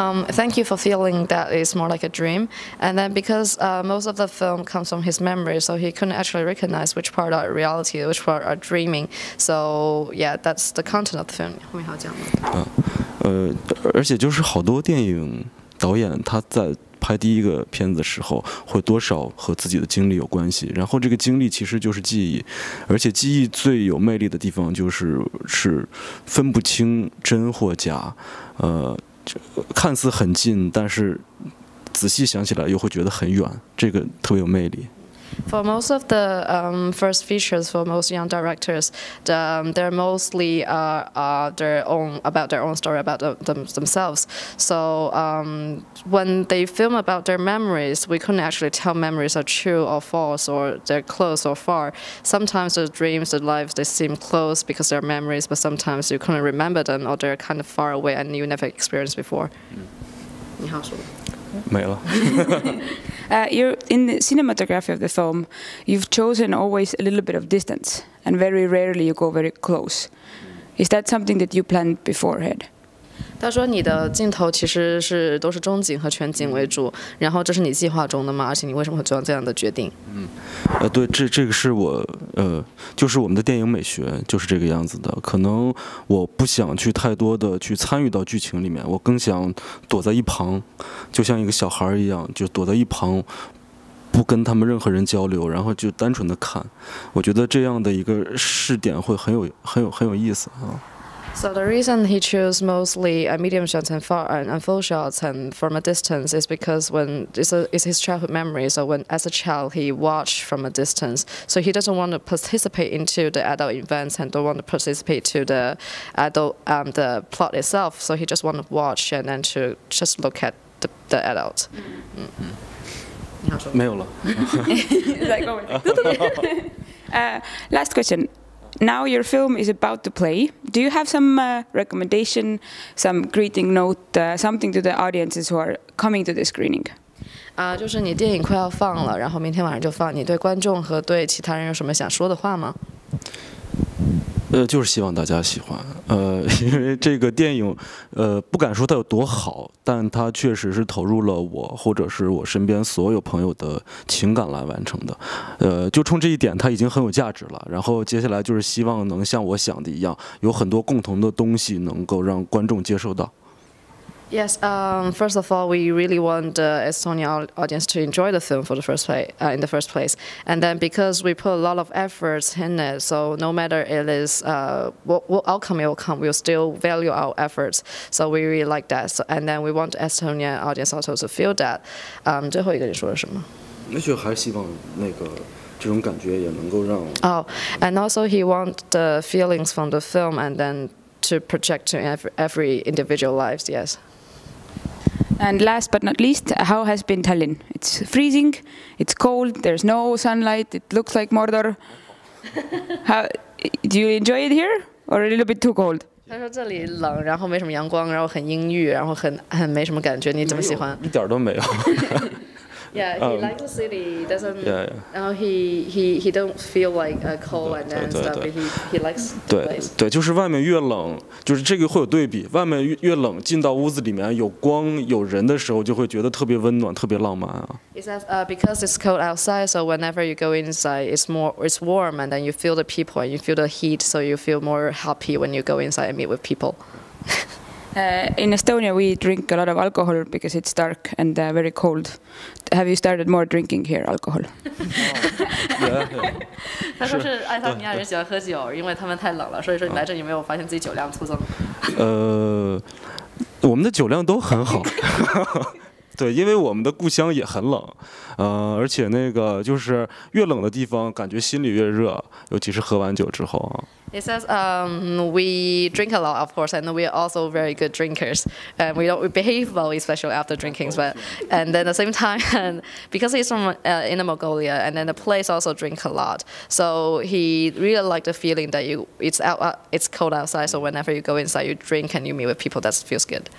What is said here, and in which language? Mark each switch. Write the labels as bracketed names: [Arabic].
[English] Thank you for feeling that it's more like a dream. And then because most of the film comes from his memory, so he couldn't actually recognize which part are reality, which part are dreaming. So yeah, that's the content of the film. [Chinese] 后面好讲吗？而且就是好多电影导演他在拍第一个片子的时候，会多少和自己的经历有关系。然后这个经历其实就是记忆，而且记忆最有魅力的地方就是分不清真或假，看似很近，但是仔细想起来又会觉得很远，这个特别有魅力。 [English] For most of the first features, for most young directors, they're mostly about their own story about themselves. So when they film about their memories, we couldn't actually tell memories are true or false, or they're close or far. Sometimes the dreams, the lives, they seem close because they're memories, but sometimes you couldn't remember them, or they're kind of far away and you never experienced before. [Chinese] 你好，说。没了 [English] you're in the cinematography of the film, you've chosen always a little bit of distance, and very rarely you go very close. Is that something that you planned beforehand? [Chinese] 他说你的镜头其实是都是中景和全景为主，然后这是你计划中的吗？而且你为什么会做这样的决定？对，这个是我就是我们的电影美学就是这个样子的。可能我不想去太多的去参与到剧情里面，我更想躲在一旁，就像一个小孩一样，就躲在一旁，不跟他们任何人交流，然后就单纯的看。我觉得这样的一个试点会很有意思啊。 [English] So the reason he chose mostly a medium shots and far and full shots and from a distance is because when it's his childhood memory. So when as a child he watched from a distance, so he doesn't want to participate into the adult events and don't want to participate to the adult the plot itself. So he just want to watch and then to just look at the adult. [Chinese] 你好，说没有了。来，各位。 [English] Last question. Now your film is about to play. Do you have some recommendation, some greeting note, something to the audiences who are coming to the screening? [Chinese] 就是你电影快要放了，然后明天晚上就放。你对观众和对其他人有什么想说的话吗？就是希望大家喜欢。因为这个电影，不敢说它有多好，但它确实是投入了我或者是我身边所有朋友的情感来完成的。就冲这一点，它已经很有价值了。然后接下来就是希望能像我想的一样，有很多共同的东西能够让观众接受到。 [English] Yes, first of all, we really want the Estonian audience to enjoy the film in the first place. And then because we put a lot of efforts in it, so no matter it is, what outcome it will come, we'll still value our efforts. So we really like that. So, and then we want the Estonian audience also to feel that. [Chinese] 最后一个你说了什么？那就还是希望那个这种感觉也能够让。 [English] Oh, and also he wants the feelings from the film and then to project to every individual lives, yes. And last but not least, how has been Tallinn? It's freezing, it's cold, there's no sunlight, it looks like Mordor. How, do you enjoy it here? Or a little bit too cold? [Chinese] 他说这里冷，然后没什么阳光，然后很阴郁，然后很没什么感觉。你怎么喜欢？一点都没有。 [English] Yeah, he likes the city. Yeah. Now he don't feel like a cold and then stuff. He likes the place. [Chinese] 对对，就是外面越冷，就是这个会有对比。外面越冷，进到屋子里面有光有人的时候，就会觉得特别温暖，特别浪漫啊。 [English] He says, because it's cold outside, so whenever you go inside, it's warm, and then you feel the people, and you feel the heat, so you feel more happy when you go inside and meet with people. In Estonia, we drink a lot of alcohol because it's dark and very cold. Have you started more drinking here alcohol? Yeah. Yeah. [Chinese] 对，因为我们的故乡也很冷，而且那个就是越冷的地方，感觉心里越热，尤其是喝完酒之后啊。 [English] It says, we drink a lot, of course, and we are also very good drinkers, and we don't behave well, especially after drinking. But and then at the same time, because he's from Inner Mongolia, and then the place also drink a lot, so he really liked the feeling that it's cold outside, so whenever you go inside, you drink and you meet with people, that feels good.